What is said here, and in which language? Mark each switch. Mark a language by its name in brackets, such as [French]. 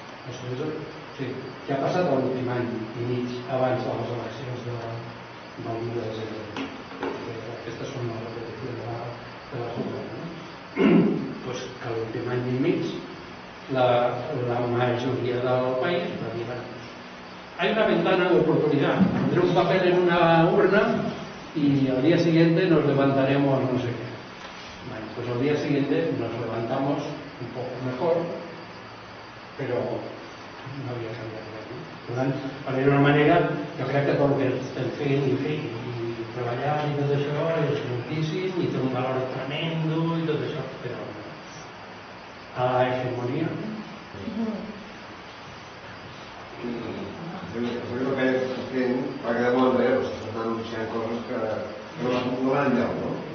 [Catalan] Això és, sí, què ha passat l'últim any i mig abans de les eleccions de del 1 de desembre? Aquestes són les repeticions de la Junta. Doncs que l'últim any i mig la majoria del país va dir, [Spanish] hay una ventana de oportunidad, pondré un papel en una urna y al día siguiente nos levantaremos no sé qué. Bueno, pues al día siguiente nos levantamos un poco mejor, pero no había cambiado nada, ¿no? [Catalan] Per tant, per dir-ho d'una manera, jo crec que tot el que estem fent i treballant i tot això és moltíssim i té un valor tremendo i tot això, però a la hegemonia. Jo crec que el que estem fent va quedar molt bé, però s'estan anunciant coses que no van enlloc, no?